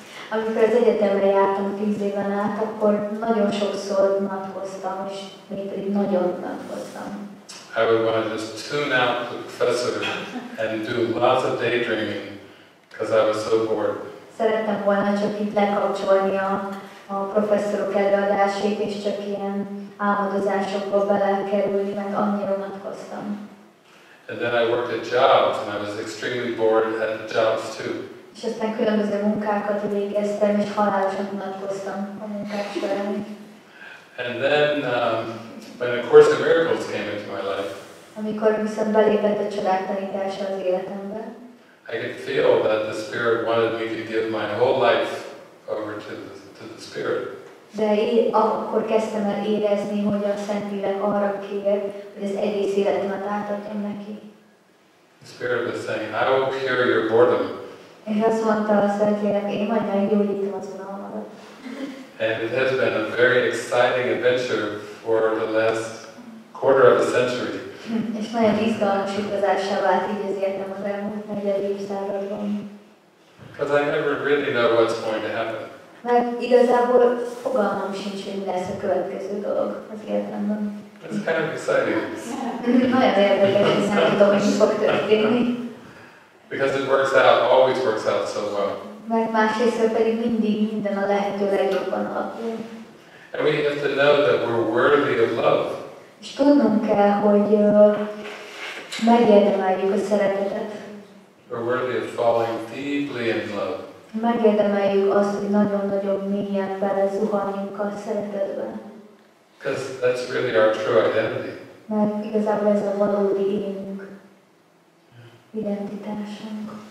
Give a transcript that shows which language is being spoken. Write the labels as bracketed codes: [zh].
[hu] Amikor az egyetemre jártam 10 éven át, akkor nagyon sokszor unatkoztam, és még pedig nagyon unatkoztam. [en] I would want to just tune out the professor and do lots of daydreaming because I was so bored. [hu] Szerettem volna csak így lekapcsolni a professzorok előadásait és csak ilyen álmodozásokba belekerülni, mert annyira unatkoztam. [en] And then I worked at jobs and I was extremely bored at jobs too. [hu] És aztán különböző munkákat végeztem és halálosan unatkoztam a munkák során. [en] And then when A Course in Miracles came into my life, [hu] amikor viszont belépett a csodák tanítása az életembe, [en] I could feel that the Spirit wanted me to give my whole life over to the Spirit. [hu] De akkor kezdtem el érezni, hogy a Szentlélek arra kér, hogy az egész életemet átadjam neki. [en] The Spirit was saying, I will cure your boredom. [hu] És azt mondta a Szentlélek, én majd meggyógyítom az unalmadat. [en] And it has been a very exciting adventure for the last quarter of a century. [hu] És nagyon izgalmas utazással vált így az életem az elmúlt negyed évszázadban. [en] Because I never really know what's going to happen. [hu] Mert igazából fogalmam sincs, hogy mi lesz a következő dolog az életemben. [en] It's kind of exciting. [hu] Nagyon érdekes, hiszen nem tudom, hogy mi fog történni. [en] Because it works out, always works out so well. [hu] Mert másrészt pedig mindig minden a lehető legjobban alakul. [en] And we have to know that we're worthy of love. [hu] És tudnunk kell, hogy megérdemeljük a szeretetet. [en] We're worthy of falling deeply in love. [hu] Megérdemeljük azt, hogy nagyon-nagyon mélyen belezuhanjunk a szeretetbe. [en] Because that's really our true identity. [hu] Mert igazából ez a valódi énünk, identitásunk.